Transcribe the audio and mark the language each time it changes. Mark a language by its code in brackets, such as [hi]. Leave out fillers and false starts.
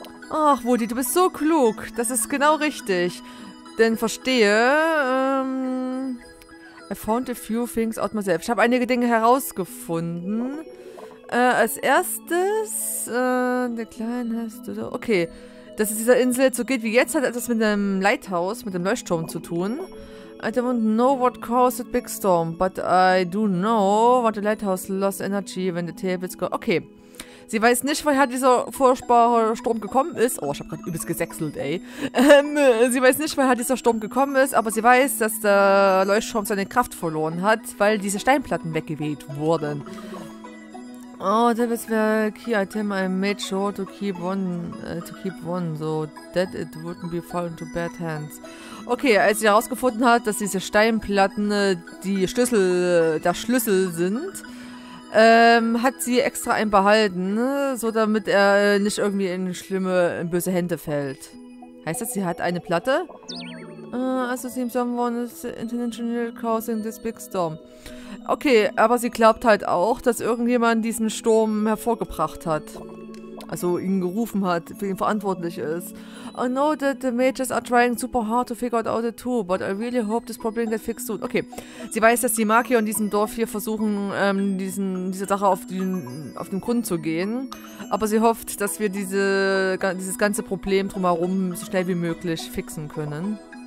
[de] Ach, Woody, du bist so klug. Das ist genau richtig. Denn verstehe, [en] I found a few things out myself. [de] Ich habe einige Dinge herausgefunden. Als erstes, der Kleine heißt, oder? Okay, dass es dieser Insel so geht wie jetzt, hat etwas mit dem Lighthouse, mit dem Leuchtturm zu tun. [en] I don't know what caused the big storm, but I do know what the lighthouse lost energy when the tables go. Okay, [de] Sie weiß nicht, woher dieser furchtbare Sturm gekommen ist. Oh, ich habe gerade übelst gesächselt, ey. Sie weiß nicht, woher dieser Sturm gekommen ist, aber sie weiß, dass der Leuchtturm seine Kraft verloren hat, weil diese Steinplatten weggeweht wurden. Oh, das ist der [en] Key Item I made sure to keep one, so that it wouldn't be fallen to bad hands. [de] Okay, als sie herausgefunden hat, dass diese Steinplatten der Schlüssel sind, hat sie extra einen behalten, so damit er nicht irgendwie in böse Hände fällt. Heißt das, sie hat eine Platte? [en] Also seems someone is intentionally causing this big storm. [de] Okay, aber sie glaubt halt auch, dass irgendjemand diesen Sturm hervorgebracht hat. Also ihn gerufen hat, für ihn verantwortlich ist. [en] I know that the mages are trying super hard to figure out it too, but I really hope this problem gets fixed soon. [de] Okay, sie weiß, dass die Magier in diesem Dorf hier versuchen, diese Sache auf den Grund zu gehen. Aber sie hofft, dass wir dieses ganze Problem drumherum so schnell wie möglich fixen können.